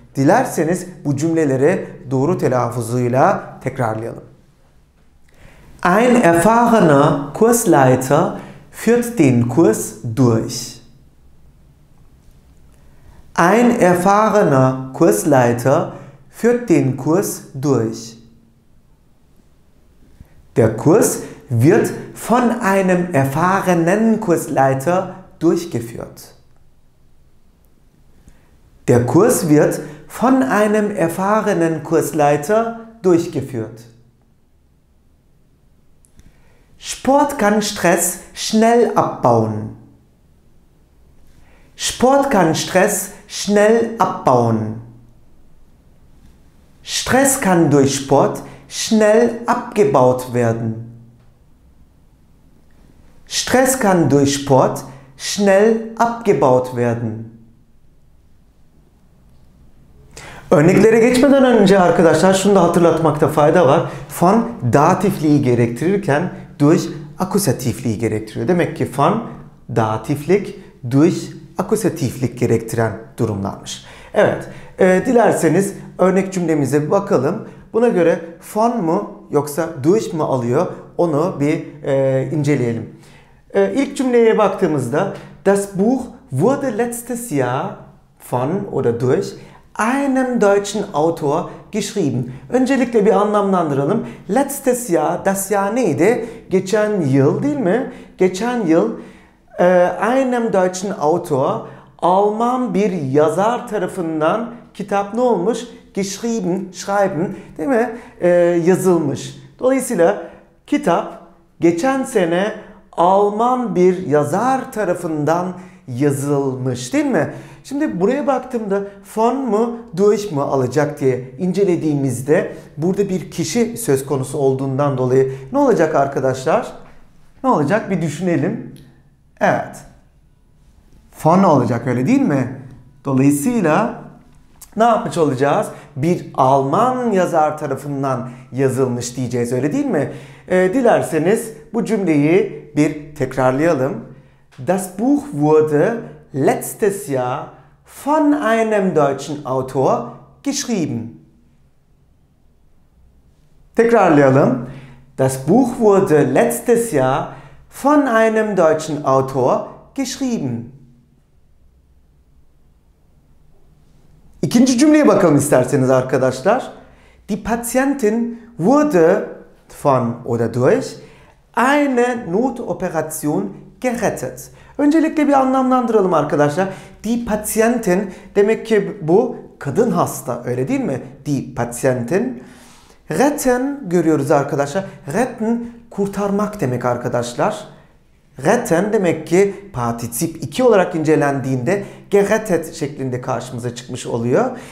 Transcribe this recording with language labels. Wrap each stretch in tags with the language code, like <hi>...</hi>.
<tr>Dilerseniz bu cümleleri doğru telaffuzuyla tekrarlayalım.</tr> <de>Ein erfahrener Kursleiter führt den Kurs durch. Ein erfahrener Kursleiter führt den Kurs durch. Der Kurs wird von einem erfahrenen Kursleiter durchgeführt. Der Kurs wird von einem erfahrenen Kursleiter durchgeführt. Sport kann Stress schnell abbauen. Sport kann Stress schnell abbauen. Stress kann durch Sport schnell abgebaut werden. Stress kann durch Sport schnell abgebaut werden.</de> <tr>Örneklere geçmeden önce arkadaşlar şunu da hatırlatmakta fayda var. Von datifliği gerektirirken durch akusatifliği gerektiriyor. Demek ki Form datiflik durch akusatiflik gerektiren durumlarmış. Evet, dilerseniz örnek cümlemize bir bakalım. Buna göre Form mu yoksa durch mu alıyor onu bir inceleyelim. İlk cümleye baktığımızda</tr> <de>das Buch wurde letztes Jahr von oder durch einem deutschen Autor geschrieben.</de> <tr>Öncelikle bir anlamlandıralım.</tr> <de>Letztes Jahr, das Jahr</de> <tr>neydi? Geçen yıl değil mi? Geçen yıl</tr> <de>einem deutschen Autor,</de> <tr>Alman bir yazar tarafından kitap ne olmuş?</tr> <de>Geschrieben, schreiben</de> <tr>değil mi? Yazılmış. Dolayısıyla kitap geçen sene Alman bir yazar tarafından yazılmış değil mi? Şimdi buraya baktığımda von mu durch mu alacak diye incelediğimizde burada bir kişi söz konusu olduğundan dolayı ne olacak arkadaşlar? Ne olacak bir düşünelim. Evet. Von olacak öyle değil mi? Dolayısıyla ne yapmış olacağız? Bir Alman yazar tarafından yazılmış diyeceğiz öyle değil mi? Dilerseniz bu cümleyi bir tekrarlayalım.</tr> <de>Das Buch wurde letztes Jahr von einem deutschen Autor geschrieben.</de> <tr>Tekrarlayalım.</tr> <de>Das Buch wurde letztes Jahr von einem deutschen Autor geschrieben.</de> <tr>İkinci cümleye bakalım isterseniz arkadaşlar.</tr> <de>Die Patientin wurde von oder durch eine Notoperation gerettet.</de> <tr>Öncelikle bir anlamlandıralım arkadaşlar.</tr> <de>Die Patientin</de> <tr>demek ki bu kadın hasta öyle değil mi?</tr> <de>Die Patientin. Retten</de> <tr>görüyoruz arkadaşlar. Retten kurtarmak demek arkadaşlar. Retten demek ki partizip 2 olarak incelendiğinde gerettet şeklinde karşımıza çıkmış oluyor.</tr>